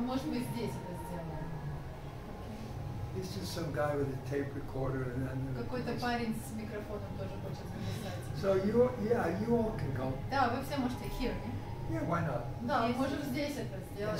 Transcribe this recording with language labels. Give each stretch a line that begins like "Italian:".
Russian: Может быть здесь это сделаем.
English: It's just some guy with a tape recorder and then.
Russian: Какой-то парень с микрофоном тоже хочет записать.
English: So you, yeah, you all can go.
Russian: Да, вы все можете
English: here. Yeah, why not?
Russian: Да, можем здесь это сделать.